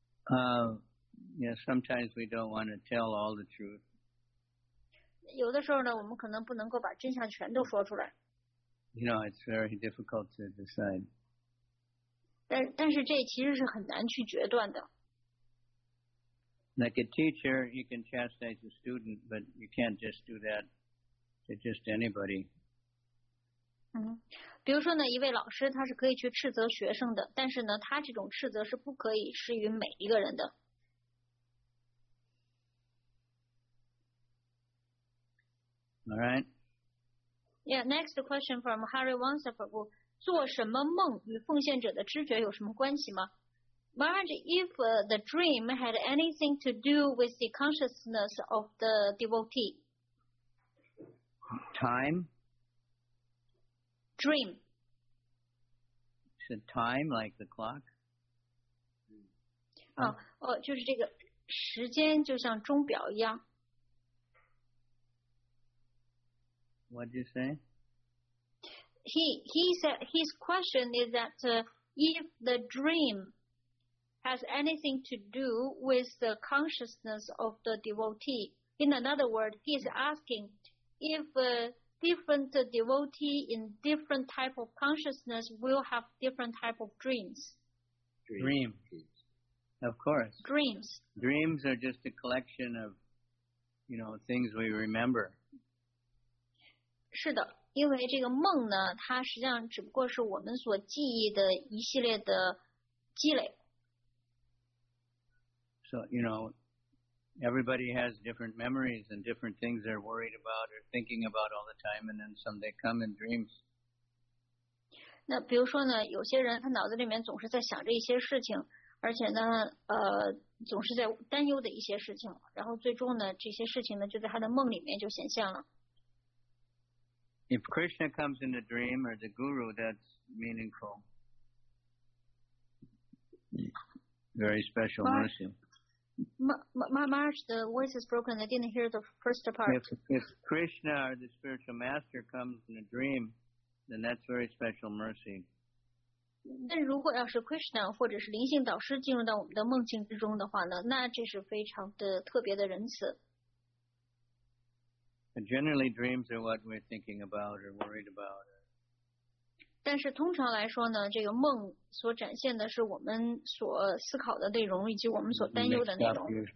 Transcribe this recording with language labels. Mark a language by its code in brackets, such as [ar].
[en] Yeah, sometimes we don't want to tell all the truth. [zh] 有的时候呢，我们可能不能够把真相全都说出来。 [en] You know, it's very difficult to decide. [zh] 但是这其实是很难去决断的。 [en] Like a teacher, you can chastise a student, but you can't just do that to just anybody. [zh] 比如说呢，一位老师他是可以去斥责学生的，但是呢，他这种斥责是不可以适于每一个人的。 [en] All right. Yeah, next question from Harry Wansa Prabhu. [zh] 做什么梦与奉献者的知觉有什么关系吗？ [en] Maharaj, if the dream had anything to do with the consciousness of the devotee? Time? Dream. Is it time, like the clock? [zh] 就是这个时间就像钟表一样。 [en] What did you say? He said his question is that if the dream has anything to do with the consciousness of the devotee. In another word, he is asking if different devotee in different type of consciousness will have different type of dreams. Dreams. Of course. Dreams. Dreams are just a collection of, you know, things we remember. [zh] 是的，因为这个梦呢，它实际上只不过是我们所记忆的一系列的积累。 [en] So, you know, everybody has different memories and different things they're worried about or thinking about all the time, and then someday come in dreams. [zh] 那比如说呢，有些人他脑子里面总是在想着一些事情，而且呢，总是在担忧的一些事情，然后最终呢，这些事情呢，就在他的梦里面就显现了。 [en] If Krishna comes in a dream or the guru, that's meaningful. Very special mercy. Maharaj, the voice is broken. I didn't hear the first part. If Krishna or the spiritual master comes in a dream, then that's very special mercy. [zh] 但如果要是 Krishna 或者是灵性导师进入到我们的梦境之中的话呢，那这是非常的特别的仁慈。 [en] Generally, dreams are what we're thinking about or worried about. [zh] 但是通常来说呢，这个梦所展现的是我们所思考的内容以及我们所担忧的内容。